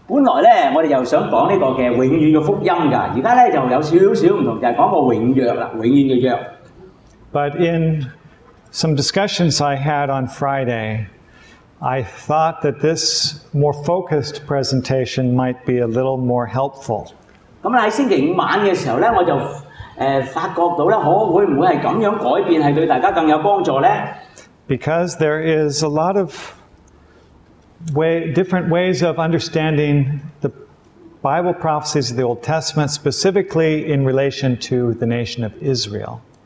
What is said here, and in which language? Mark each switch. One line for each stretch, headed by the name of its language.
Cantonese: 本来咧，我哋又想讲呢个嘅永远嘅福音噶。而家咧就有少少唔同，就系讲个永约啦，永远嘅约。But
English: in some discussions I had on Friday, I thought that this more focused presentation might be a little more helpful.
Cantonese: 咁喺星期五晚嘅时候咧，我就 發覺到咧，可會唔會係咁樣改變，係對大家更有幫助咧？
English: Because there is a lot of different ways of understanding the Bible prophecies of the Old Testament, specifically in relation to the nation of Israel.